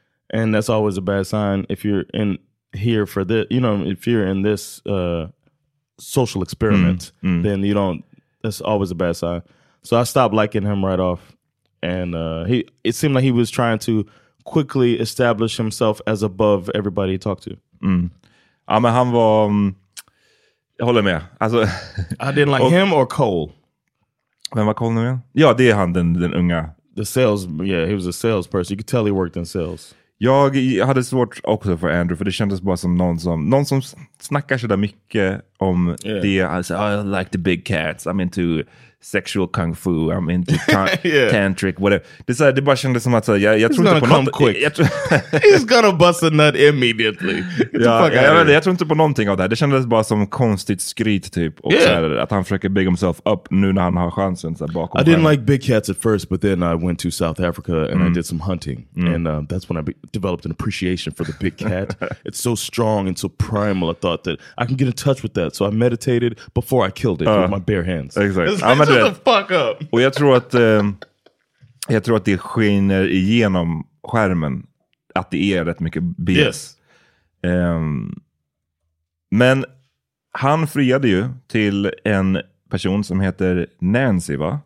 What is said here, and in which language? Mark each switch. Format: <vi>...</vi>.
<en>And that's always a bad sign if you're in... here for this, you know, if you're in this social experiment, then you don't, that's always a bad sign. So I stopped liking him right off. And it seemed like he was trying to quickly establish himself as above everybody he talked to. Mm.</en> <sv>Ja, men han var, jag håller med. Alltså,</sv> <en>I didn't like him or Cole.</en> <sv>Vem var Cole nu igen? Ja, det är han, den unga.</sv> <en>The sales, yeah, he was a salesperson. You could tell he worked in sales.</en> <sv>Jag hade svårt också för Andrew, för det kändes bara som någon som snackar så där mycket om det. Alltså,</sv> <en>I like the big cats, I'm into sexual kung fu, I'm into tantric, whatever.</en> <sv>Det, så här, det bara kändes som att så, jag tror inte på något.</sv> <en>He's gonna bust a nut immediately.</en> <sv>Jag tror inte på någonting av det här. Det kändes bara som konstigt skryt typ. Och så här, att han försöker</sv> <en>big himself up</en> <sv>nu när han har chansen så här, bakom.</sv> <en>I didn't like big cats at first, but then I went to South Africa and I did some hunting. Mm. And that's when I developed an appreciation for the big cat. It's so strong and so primal, I thought that I can get in touch with that. So I meditated before I killed it with my bare hands. Exactly. Shut the fuck up.</en> <sv>Och jag tror att det skiner igenom skärmen att det är rätt mycket BS.</sv> <en>Yes.</en> <sv>Men han friade ju till en person som heter Nancy, va?</sv>